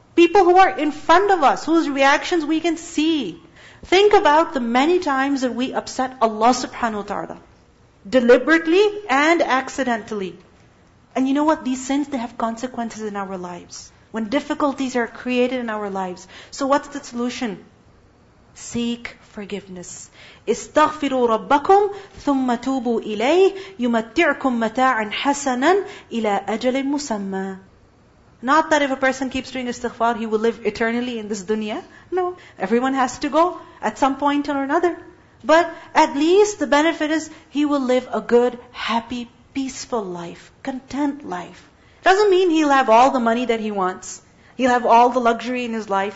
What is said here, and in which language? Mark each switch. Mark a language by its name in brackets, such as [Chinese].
[English] People who are in front of us, whose reactions we can see. Think about the many times that we upset Allah subhanahu wa ta'ala. Deliberately and accidentally. And you know what? These sins, they have consequences in our lives. When difficulties are created in our lives. So what's the solution? Seek forgiveness. [Arabic] استغفروا ربكم ثم توبوا إليه يمتعكم متاعا حسنا إلى أجل مسمى. [English] Not that if a person keeps doing istighfar, he will live eternally in this dunya. No, everyone has to go at some point or another. But at least the benefit is he will live a good, happy, peaceful life, content life. Doesn't mean he'll have all the money that he wants. He'll have all the luxury in his life.